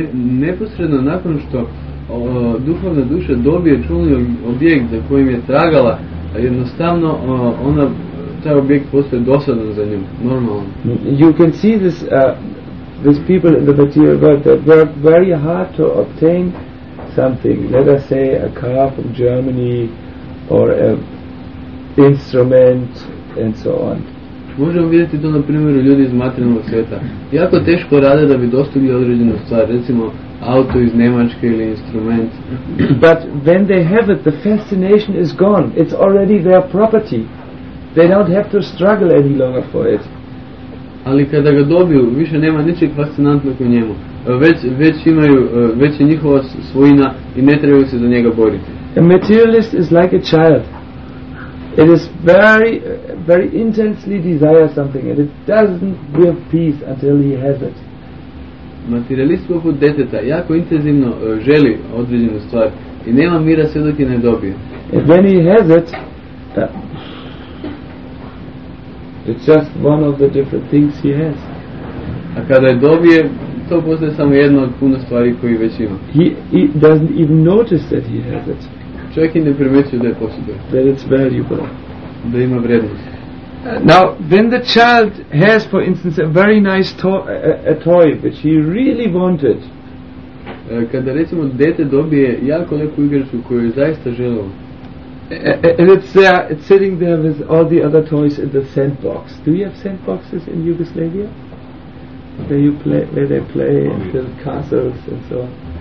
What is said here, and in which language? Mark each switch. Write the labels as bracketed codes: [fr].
[sr] Neposredno nakon što duhovna duša dobije čulni objekt za kojim je tragala, jednostavno ona, taj objekt postaje dosadan za nju, normalno. [en] You can see this these people in the material world that work very hard to obtain something, let us say a car from Germany or a instrument and so on. [sr] Možemo vidjeti to na primjeru ljudi iz materijalnog svijeta. Jako teško rade da bi dostigli određenu stvar, recimo auto iz Njemačke ili instrument. [en] But when they have it, the fascination is gone. It's already their property. They don't have to struggle any longer for it. [sr] Ali kada ga dobiju, više nema ničeg fascinantnog u njemu. Već imaju, već je njihova svojina i ne trebaju se za njega boriti. [en] A materialist is like a child. It is very, very intensely desire something, and it doesn't give peace until he has it. [sr] Materialist poput deteta jako intenzivno želi određenu stvar i nema mira sve dok je ne dobije. [en] And when he has it, it's just one of the different things he has. [sr] A kada je dobije, to postaje samo jedna od puno stvari koje već ima. [en] He doesn't even notice that he has it. [sr] Čovjek i ne primjećuje da je posjeduje. [en] That it's valuable. [sr] да има вредност. [en] Now, when the child has, for instance, a very nice toy which he really wanted, [sr] kada recimo dete dobije jako neku igračku koju je zaista želeo, [en] and it's sitting there with all the other toys in the sandbox. Do you have sandboxes in Yugoslavia? Where you play, where they play and build castles and so on.